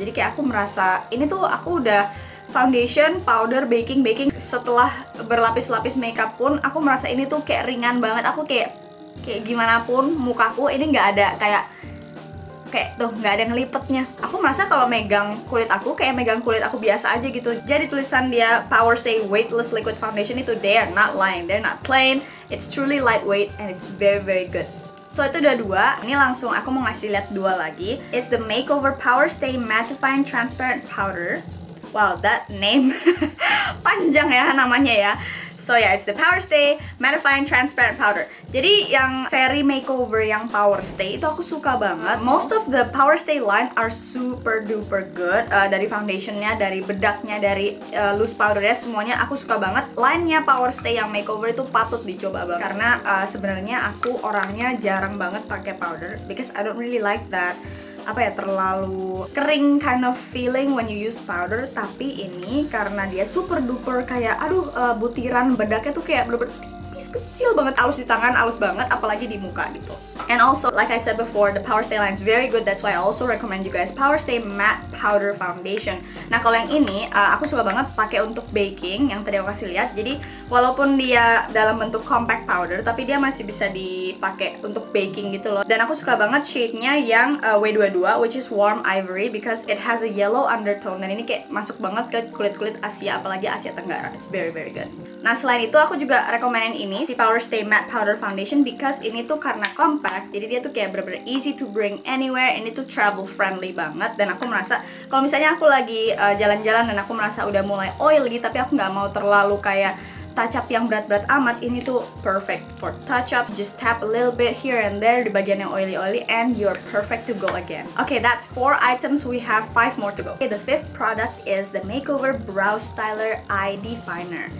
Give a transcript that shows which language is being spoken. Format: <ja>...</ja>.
<id>Jadi kayak aku merasa ini tuh aku udah foundation, powder, baking. Setelah berlapis-lapis makeup pun, aku merasa ini tuh kayak ringan banget. Aku kayak gimana pun mukaku ini gak ada kayak tuh nggak ada ngelipetnya. Aku merasa kalau megang kulit aku kayak megang kulit aku biasa aja gitu. Jadi tulisan dia</id> <en>Power Stay Weightless Liquid Foundation itu they are not lying, they're not playing. It's truly lightweight and it's very good. So</en> <id>itu udah dua. Ini langsung aku mau ngasih lihat dua lagi.</id> <en>It's the Makeover Power Stay Mattifying Transparent Powder. Wow, that name</en> <id>panjang ya namanya ya.</id> <en>So yeah, it's the Power Stay Mattifying Transparent Powder.</en> <id>Jadi yang seri makeover yang Power Stay itu aku suka banget.</id> <en>Most of the Power Stay line are super duper good.</en> <id>Dari foundationnya, dari bedaknya, dari loose powdernya, semuanya aku suka banget. Line-nya Power Stay yang makeover itu patut dicoba banget. Karena sebenarnya aku orangnya jarang banget pakai powder</id> <en>because I don't really like that.</en> <id>Apa ya, terlalu kering</id> <en>kind of feeling when you use powder.</en> <id>Tapi ini karena dia</id> <en>super duper</en> <id>kayak aduh butiran bedaknya tuh kayak bener-bener tipis kecil banget, halus di tangan, halus banget, apalagi di muka gitu.</id> <en>And also like I said before, the Power Stay line is very good. That's why I also recommend you guys Power Stay Matte Powder Foundation.</en> <id>Nah kalau yang ini aku suka banget pakai untuk baking yang tadi aku kasih lihat. Jadi walaupun dia dalam bentuk compact powder, tapi dia masih bisa dipakai untuk baking gitu loh. Dan aku suka banget shade-nya yang W22,</id> <en>which is warm ivory, because it has a yellow undertone.</en> <id>Dan ini kayak masuk banget ke kulit-kulit Asia, apalagi Asia Tenggara.</id> <en>It's very good.</en> <id>Nah selain itu aku juga rekomenin ini si Power Stay Matte Powder Foundation, because ini tuh karena compact, jadi dia tuh kayak bener-bener</id> <en>easy to bring anywhere.</en> <id>Ini tuh</id> <en>travel friendly</en> <id>banget. Dan aku merasa kalau misalnya aku lagi jalan-jalan dan aku merasa udah mulai oily, tapi aku nggak mau terlalu kayak touch up yang berat-berat amat, ini tuh</id> <en>perfect for touch up. Just tap a little bit here and there</en> <id>di bagian yang oily-oily</id> <en>and you're perfect to go again. Okay, that's 4 items, we have 5 more to go. Okay, the 5th product is the Makeover Brow Styler Eye Definer.</en>